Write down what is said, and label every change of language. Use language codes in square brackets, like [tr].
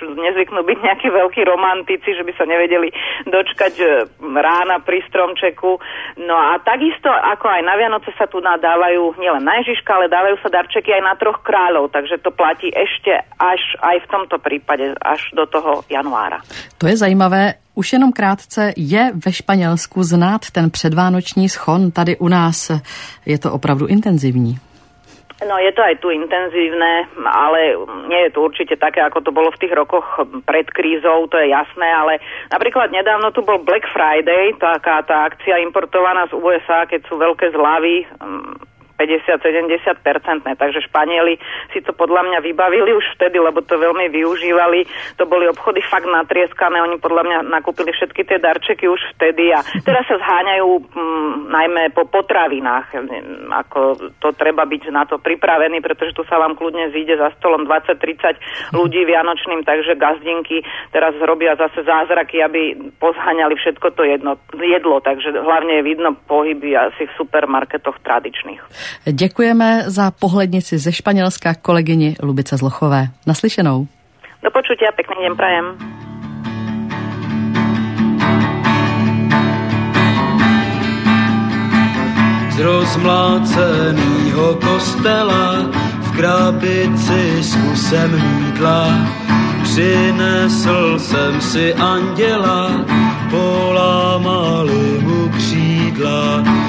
[sk] nezvyknú byť nejakí veľkí romantici, že by sa nevedeli dočkať rána pri stromčeku. No a takisto ako aj na Vianoce sa tu dávajú nielen na Ježiška, ale dávajú sa darčeky aj na troch kráľov, takže to platí ešte až aj v tomto prípade až do toho januára. [cs] To je zajímavé. Už jenom krátce, je ve Španělsku znát ten předvánoční schon, tady u nás je to opravdu intenzivní? [sk] No je to aj tu intenzívne, ale nie je to určite také, ako to bolo v tých rokoch pred krízou, to je jasné, ale napríklad nedávno tu bol Black Friday, taká tá akcia importovaná z USA, keď sú veľké zľavy, 50-70%, takže Španieli si to podľa mňa vybavili už vtedy, lebo to veľmi využívali. To boli obchody fakt natrieskané, oni podľa mňa nakúpili všetky tie darčeky už vtedy a teraz sa zháňajú najmä po potravinách. Ako to treba byť na to pripravený, pretože tu sa vám kľudne zíde za stolom 20-30 ľudí vianočným, takže gazdinky teraz robia zase zázraky, aby pozháňali všetko to jedlo, takže hlavne je vidno pohyby asi v supermarketoch tradičných. [cs] Děkujeme za pohlednici ze Španělska kolegyni Lubice Zlochové. Naslyšenou. [sk] Do počutí a pěkný den prajem. [cs] Z rozmláceného kostela v krabici s kusem mídla přinesl jsem si anděla, polámali mu křídla.